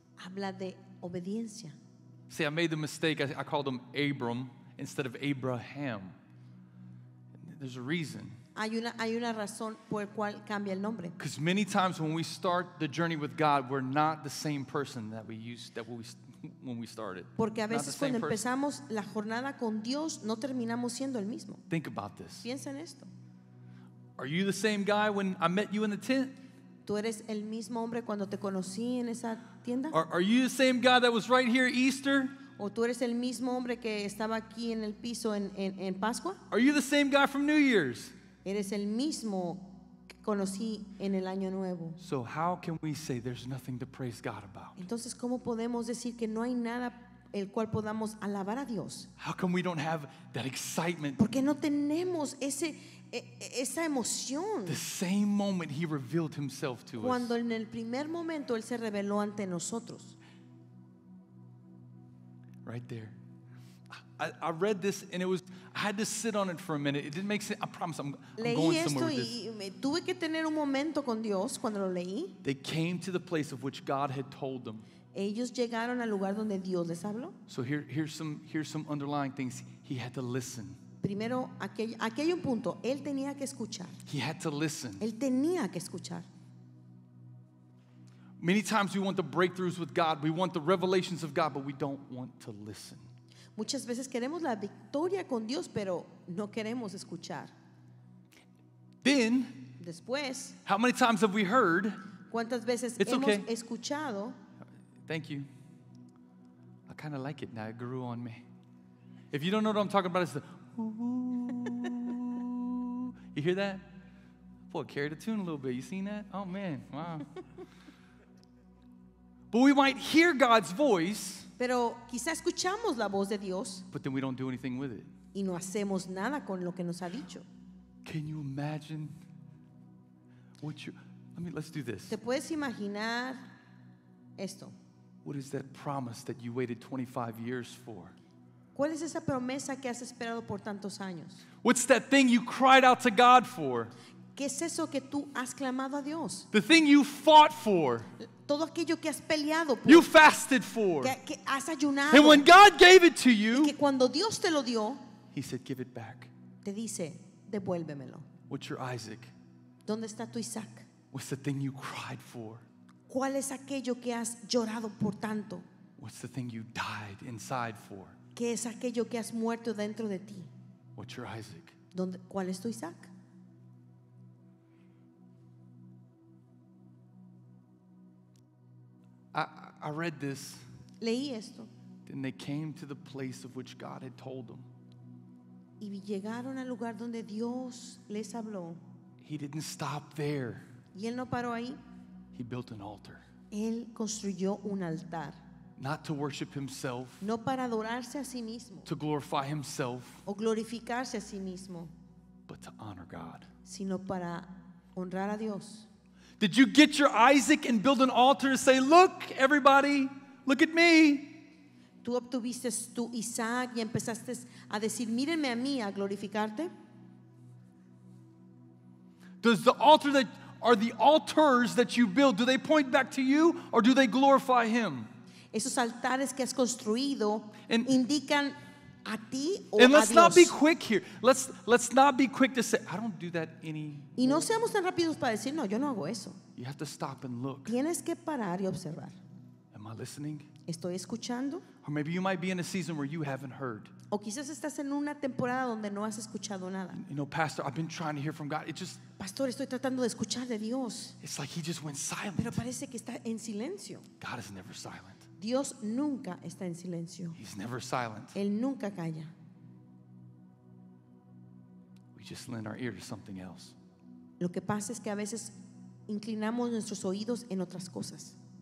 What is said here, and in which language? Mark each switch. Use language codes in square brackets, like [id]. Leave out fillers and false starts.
[es] Habla de obediencia. [en] See, I made the mistake. I called him Abram instead of Abraham. There's a reason. [es] Hay una razón por cual cambia el nombre. [en] Because many times when we start the journey with God, we're not the same person that we used that we when we started. [es] Porque a veces cuando empezamos la jornada con Dios, no terminamos siendo el mismo. [en] Think about this. [es] Piensa en esto. [en] Are you the same guy when I met you in the tent? [es] ¿Tú eres el mismo hombre cuando te conocí en esa tienda? [en] Are you the same guy that was right here Easter? [es] ¿O tú eres el mismo hombre que estaba aquí en el piso en Pascua? [en] Are you the same guy from New Year's? [es] Eres el mismo que conocí en el año nuevo. [en] So how can we say there's nothing to praise God about? [es] Entonces, ¿cómo podemos decir que no hay nada el cual podamos alabar a Dios? [en] How come we don't have that excitement? [es] Porque no tenemos esa emoción. [en] The same moment he revealed himself to us. [es] Cuando en el primer momento él se reveló ante nosotros. [en] Right there. I read this and it was, I had to sit on it for a minute. It didn't make sense. I promise I'm going somewhere with this. [es] Leí esto y me tuve que tener un momento con Dios cuando lo leí. [en] They came to the place of which God had told them. [es] Ellos llegaron al lugar donde Dios les habló. [en] So here's some underlying things. He had to listen. [es] Primero, aquel punto, él tenía que escuchar. [en] He had to listen. [es] Él tenía que escuchar. [en] Many times we want the breakthroughs with God, we want the revelations of God, but we don't want to listen. [es] Muchas veces queremos la victoria con Dios, pero no queremos escuchar. [en] Then, [es] después, [en] how many times have we heard? [es] ¿Cuántas veces [en] it's [es] hemos [en] okay. [es] escuchado? [en] Thank you. I kind of like it now. It grew on me. If you don't know what I'm talking about, it's the ooh. You hear that? Boy, carried a tune a little bit. You seen that? Oh, man. Wow. But we might hear God's voice. [es] Pero quizá escuchamos la voz de Dios. [en] But then we don't do anything with it. [es] Y no hacemos nada con lo que nos ha dicho. [en] Can you imagine what you... I mean, let's do this. [es] ¿Te puedes imaginar esto? [en] What is that promise that you waited 25 years for? [es] ¿Cuál es esa promesa que has esperado por tantos años? [en] What's that thing you cried out to God for? [es] ¿Qué es eso que tú has clamado a Dios? [en] The thing you fought for. [es] Todo aquello que has peleado por. [en] You fasted for. [es] Que has ayunado. [en] And when God gave it to you, [es] y que cuando Dios te lo dio, [en] he said, give it back. [es] Te dice, devuélvemelo. [en] What's your Isaac? [es] ¿Dónde está tu Isaac? [en] What's the thing you cried for? [es] ¿Cuál es aquello que has llorado por tanto? [en] What's the thing you died inside for? [es] ¿Qué es aquello que has muerto dentro de ti? [en] What's your Isaac? [es] ¿Cuál es tu Isaac? [en] I read this. [es] Leí esto. [en] Then they came to the place of which God had told them. [es] Y llegaron al lugar donde Dios les habló. [en] He didn't stop there. [es] Y él no paró ahí. [en] He built an altar. [es] Él construyó un altar. [en] Not to worship himself. [es] No para adorarse a sí mismo. [en] To glorify himself. [es] O glorificarse a sí mismo. [en] But to honor God. [es] Sino para honrar a Dios. [en] Did you get your Isaac and build an altar and say, "Look, everybody, look at me"? [es] Tú obtuviste tu Isaac y empezaste a decir, "Mírenme a mí, a glorificarte"? [en] Does the altar that are the altars that you build, do they point back to you or do they glorify him? [es] Esos altares que has construido indican a ti o a Dios. [en] And let's not be quick here. Let's not be quick to say, "I don't do that anymore." [es] Y no seamos tan rápidos para decir, "No, yo no hago eso." [en] You have to stop and look. [es] Tienes que parar y observar. [en] Am I listening? [es] Estoy escuchando. [en] Or maybe you might be in a season where you haven't heard. [es] O quizás estás en una temporada donde no has escuchado nada. [en] You know, Pastor, I've been trying to hear from God. [es] Pastor, estoy tratando de escuchar de Dios. [en] It's like he just went silent. [es] Pero parece que está en silencio. [en] God is never silent. [es] Dios nunca está en silencio. [en] He's never silent. [es] Él nunca calla. [en] We just lend our ear to something else. [es] Lo que pasa es que a veces inclinamos nuestros oídos en otras cosas.